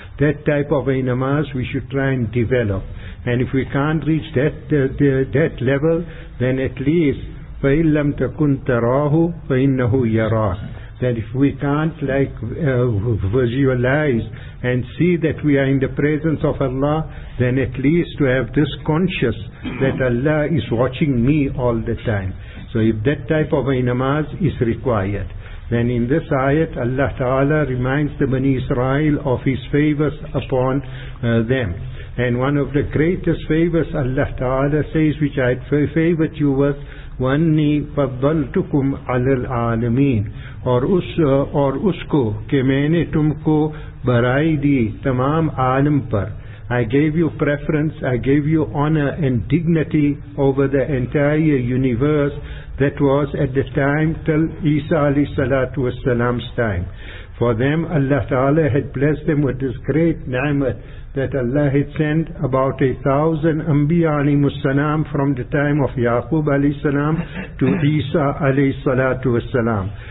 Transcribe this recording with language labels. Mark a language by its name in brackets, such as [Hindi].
[English] That type of a namaz we should try and develop. And if we can't reach that level, then at least, [Arabic] فَإِنْ لَمْ تَكُنْ تَرَاهُ فَإِنَّهُ يَرَاهُ, [English] that if we can't visualize and see that we are in the presence of Allah, then at least to have this conscious that Allah is watching me all the time. So if that type of a namaz is required, then in this ayat Allah Ta'ala reminds the Bani Israel of His favors upon them. And one of the greatest favors Allah Ta'ala says, which I favored you with, [Arabic] وَأَنِّي فَضَّلْتُكُمْ عَلَى الْعَالَمِينَ, [Urdu] اور اس کو کہ میں نے تم کو برائی دی تمام عالم پر. [English] I gave you preference, I gave you honor and dignity over the entire universe that was at the time till Isa alayhi salatu wasalam's time. For them, Allah Ta'ala had blessed them with this great ni'mat that Allah had sent about 1,000 Anbiya alayhimus salam from the time of Yaqub alayhi salam to Isa alayhi salatu wasalam.